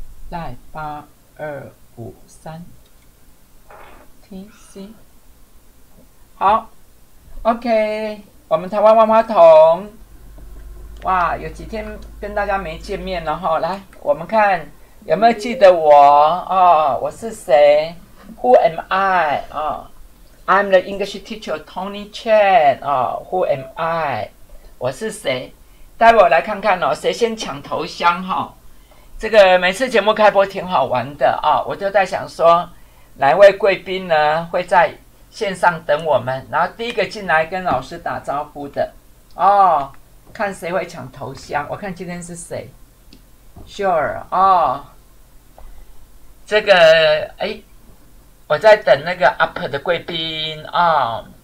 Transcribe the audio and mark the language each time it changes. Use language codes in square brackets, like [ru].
[zh] LINE 8253 TC。好， OK， 我们台湾万花筒，哇，有几天跟大家没见面了哈，来我们看有没有记得我啊、哦？我是谁 ？ [en] Who am I？啊、哦、，I'm the English teacher Tony Chen、哦。啊 ，Who am I？ [zh] 我是谁？待会我来看看哦，谁先抢头香哈、哦？这个每次节目开播挺好玩的啊、哦，我就在想说，哪位贵宾呢会在线上等我们？然后第一个进来跟老师打招呼的哦，看谁会抢头香？我看今天是谁？Sure 哦，这个哎，我在等那个 UP 的贵宾啊、哦。